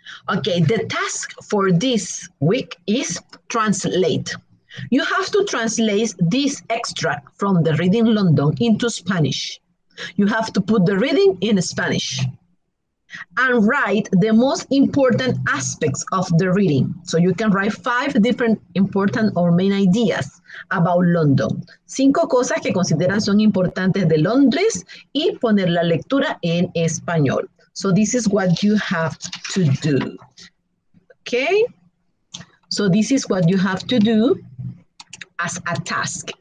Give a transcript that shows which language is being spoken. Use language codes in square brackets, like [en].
[en] Okay, the task for this week is translate. You have to translate this extract from the reading London into Spanish. You have to put the reading in Spanish and write the most important aspects of the reading. So you can write 5 different important or main ideas about London. [es] 5 cosas que consideran son importantes de Londres y poner la lectura en español. [en] So this is what you have to do, okay? So this is what you have to do as a task.